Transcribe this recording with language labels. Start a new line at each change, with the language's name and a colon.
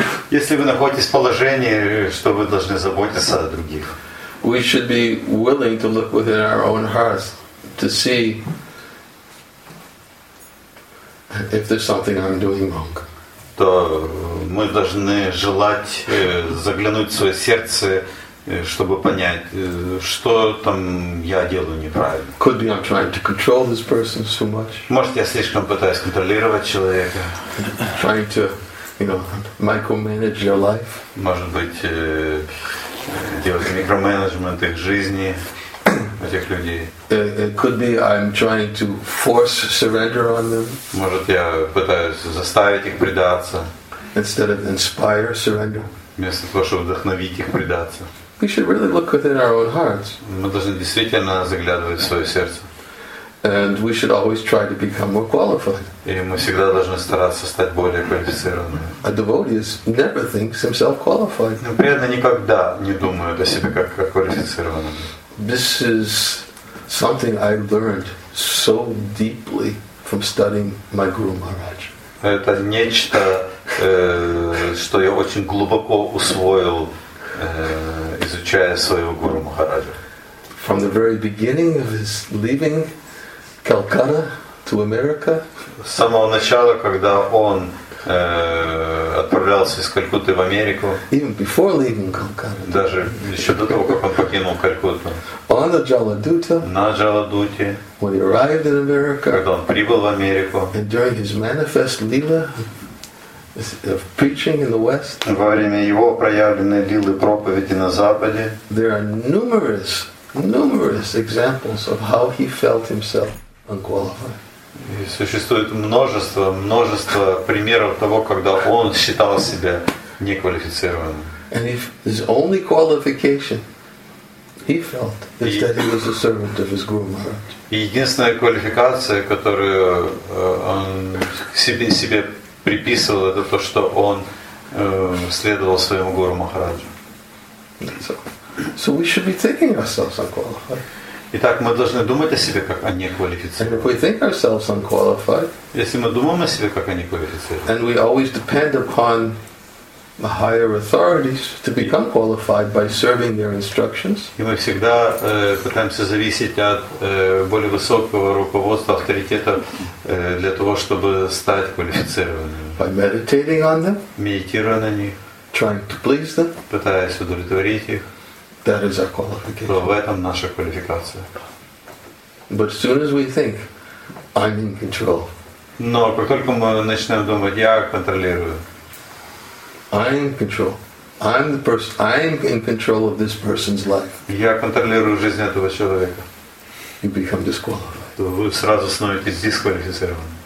Russian: если вы находитесь в положении, что вы должны заботиться о других.
English: We should be willing to look within our own hearts to see if there's something I'm doing wrong.
Russian: То мы должны желать заглянуть в своё сердце, чтобы понять, что там я делаю неправильно.
English: Could be I'm trying to control this person so much.
Russian: Может, я слишком пытаюсь контролировать человека.
English: Trying to, micromanage your life.
Russian: Может быть, делать микроменеджмент их жизни, этих людей.
English: It could be I'm trying to force surrender on them.
Russian: Может, я пытаюсь заставить их предаться.
English: Instead of inspire surrender.
Russian: Вместо того, чтобы вдохновить их предаться.
English: We should really look within our own hearts.
Russian: Мы должны действительно заглядывать в свое сердце.
English: And we should always try to become more qualified.
Russian: И мы всегда должны стараться стать более квалифицированными.
English: A devotee never thinks himself qualified.
Russian: Преданный никогда не думает о себе как о квалифицированном.
English: this is something I learned so deeply from studying my Guru Maharaj.
Russian: Это нечто, что я очень глубоко усвоил, изучая своего Гуру Махараджа.
English: From the very beginning of his leaving Calcutta to America.
Russian: С самого начала, когда он отправлялся из Калькутты в Америку.
English: Even before leaving Calcutta.
Russian: Даже еще до того, как он покинул Калькутту.
English: On the Jaladuta.
Russian: На Джаладуте.
English: When he arrived in America.
Russian: Когда он прибыл в Америку.
English: And during his manifest lila of preaching in the West.
Russian: Во время его проявленной лилы проповеди на Западе.
English: There are numerous examples of how he felt himself unqualified.
Russian: И существует множество примеров того, когда он считал себя неквалифицированным.
English: And if his only qualification, he felt, is that he was a servant of his Guru Maharaj.
Russian: И единственная квалификация, которую он себе приписывал, это то, что он следовал своему Гуру Махараджу.
English: So we should be thinking ourselves unqualified.
Russian: Итак, мы должны думать о себе как о неквалифицированном.
English: And if we think ourselves unqualified,
Russian: если мы думаем о себе как о неквалифицированном,
English: and we always depend upon the higher authorities to become qualified by serving their instructions,
Russian: и мы всегда пытаемся зависеть от более высокого руководства, авторитета для того, чтобы стать квалифицированными.
English: By meditating on them,
Russian: медитируя на них,
English: trying to please them,
Russian: пытаясь удовлетворить их.
English: That is our qualification.
Russian: В этом наша квалификация.
English: But as soon as we think, I'm in control.
Russian: Но как только мы начинаем думать, я контролирую.
English: I'm in control. I'm the person. I'm in control of this person's life.
Russian: Я контролирую жизнь этого человека.
English: You become disqualified.
Russian: То вы сразу становитесь дисквалифицированным.